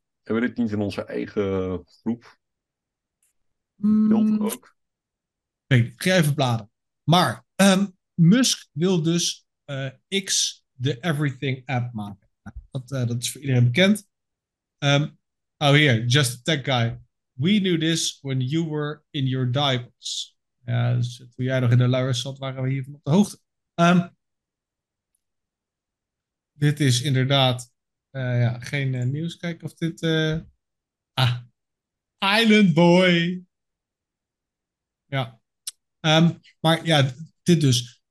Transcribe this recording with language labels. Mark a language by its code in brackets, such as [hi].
[nl] hebben we dit niet in onze eigen groep? Beeld ook. Ik ga even bladeren. Maar Musk wil dus X de Everything App maken. Dat is voor iedereen bekend. [en] Oh, hier, just a tech guy. We knew this when you were in your diapers. [nl] Ja, dus toen jij nog in de luiers zat, waren we hiervan op de hoogte. Dit is inderdaad ja, geen nieuws. Kijk of dit. Island Boy. Ja, maar ja, dit dus.